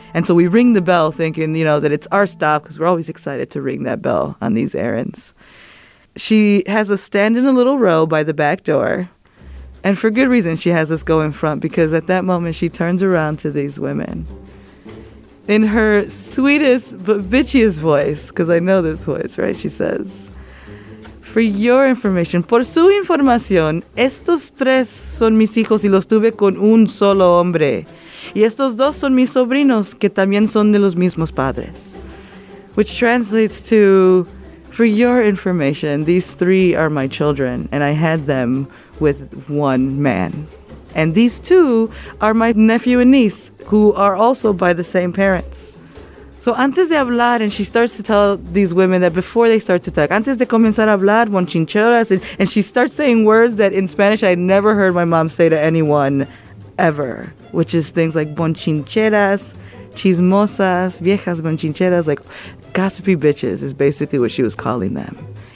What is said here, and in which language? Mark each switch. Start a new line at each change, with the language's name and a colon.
English: And so we ring the bell thinking, you know, that it's our stop because we're always excited to ring that bell on these errands. She has us stand in a little row by the back door. And for good reason, she has us go in front because at that moment she turns around to these women. In her sweetest but bitchiest voice, because I know this voice, right? She says, for your information,
Spanish: por su información, estos tres son mis hijos y los tuve con un solo hombre. Y estos dos son mis sobrinos que también son de los mismos padres.
English: Which translates to, for your information, these three are my children and I had them with one man. And these two are my nephew and niece who are also by the same parents. So
Spanish: antes de hablar,
English: and she starts to tell these women that before they start to talk,
Spanish: antes de comenzar a hablar,
English: monchincheras, and she starts saying words that in Spanish I never heard my mom say to anyone ever, which is things like monchincheras,
Spanish: chismosas, viejas monchincheras,
English: like gossipy bitches is basically what she was calling them.